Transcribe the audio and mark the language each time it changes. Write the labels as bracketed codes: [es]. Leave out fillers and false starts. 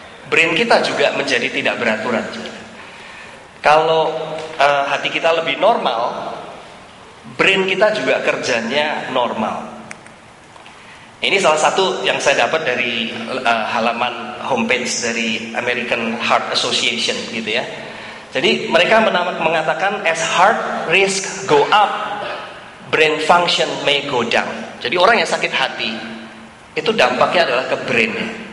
[id] Brain kita juga menjadi tidak beraturan. Kalau hati kita lebih normal, brain kita juga kerjanya normal. Ini salah satu yang saya dapat dari halaman homepage dari American Heart Association gitu ya. Jadi mereka mengatakan [en] as heart risk go up, brain function may go down. [id] Jadi orang yang sakit hati itu dampaknya adalah ke brainnya.